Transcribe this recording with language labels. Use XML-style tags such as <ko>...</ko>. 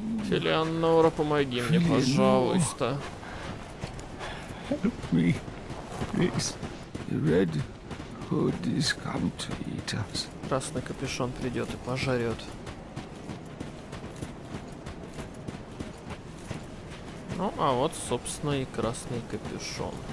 <ru>Элеонора, помоги мне, пожалуйста.</ru> <en>Help me, please. The Red Hood is come to eat us.</en> <ru>Красный капюшон придет и пожарет. Ну, а вот, собственно, и красный капюшон.</ru>